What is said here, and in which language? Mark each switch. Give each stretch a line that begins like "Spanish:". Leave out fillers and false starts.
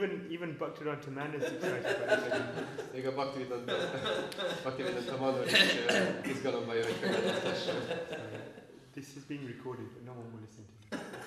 English: even Bhaktivedanta man is excited about distributing books.
Hungarian: Még a Bhaktivedanta Manor is izgalomban jön, hogy könyvet oszthasson.
English: This is being recorded, but no one will listen to me.